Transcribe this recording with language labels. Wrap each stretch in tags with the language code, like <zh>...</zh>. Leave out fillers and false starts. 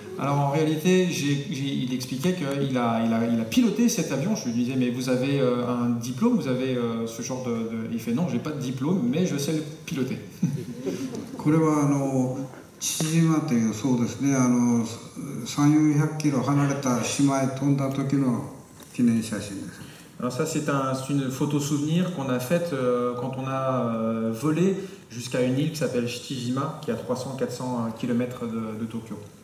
<fr>Alors en réalité, il expliquait qu'il a piloté cet avion. Je lui disais, mais vous avez un diplôme, vous avez ce genre de... Il fait, non, j'ai pas de diplôme, mais je sais le piloter.</fr> <ja>これはあの、父島という、そうですね、あの、3、400キロ離れた島へ飛んだ時の記念写真です。</ja> <fr>Alors ça, c'est une photo souvenir qu'on a faite quand on a volé jusqu'à une île qui s'appelle Shichijima, qui est à 300-400 km de Tokyo.</fr>